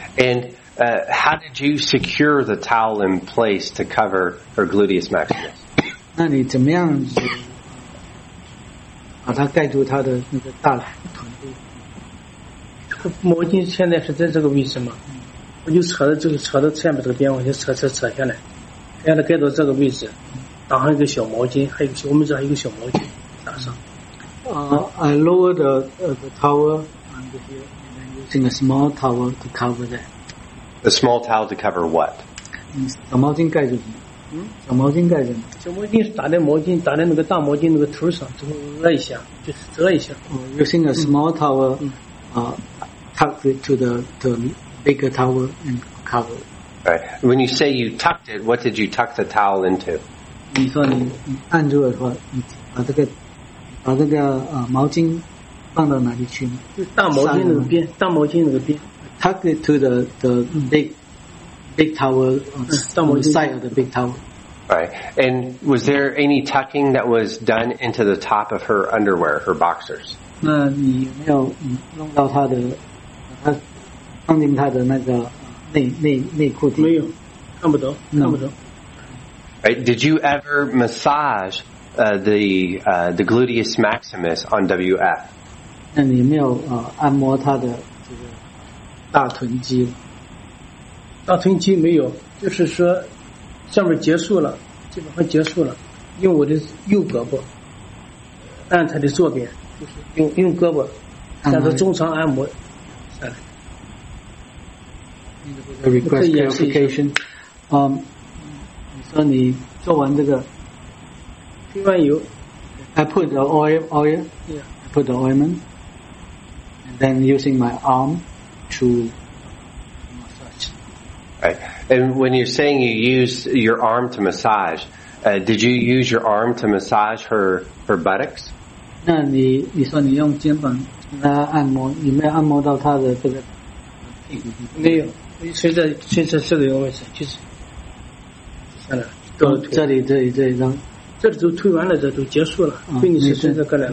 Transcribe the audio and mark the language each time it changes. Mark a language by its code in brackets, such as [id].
[en] And how did you secure the towel in place to cover her gluteus maximus? [zh] 那你怎么样把它盖住他的那个大腿？毛巾现在是在这个位置吗？我就扯到这个扯到下面这个边，我先扯，然后呢，盖到这个位置，打上一个小毛巾，还有个小，我们这还有个小毛巾，打上。 [en] I lowered the towel under here, and then using a small towel to cover that. A small towel to cover what? [zh] 小毛巾盖住什么？小毛巾盖着，小毛巾打在那个大毛巾那个头上，之后折一下，就是折一下。Using [en] a small towel, tucked it to the bigger towel and cover. Right. When you say you tucked it, what did you tuck the towel into? [zh] 你说你按住的话，你把这个把这个毛巾放到哪里去呢？大毛巾那边，大毛巾那边。 [en] Tuck it to the big towel, on the side of the big towel. Right. And was there any tucking that was done into the top of her underwear, her boxers? [zh] 那你有没有弄到她的，她放进她的那个内裤底？没有，看不到，看不到。 [en] Right. Did you ever massage the gluteus maximus on WF? [zh] 那你有没有按摩他的这个大臀肌？大臀肌没有，就是说下面结束了，基本上结束了，用我的右胳膊按他的左边，就是用胳膊，但是中长按摩下来。 [en] Request clarification. [zh] 说你做完这个喷完油 [en] I put the oil yeah. I put the ointment and then using my arm to massage. Right. And when you're saying you use your arm to massage, did you use your arm to massage her buttocks? [zh] 那你说你用肩膀来按摩，你没有按摩到她的这个屁股？没有，随着这个位置就是这里都推完了，这都结束了。对，你是顺着过来了，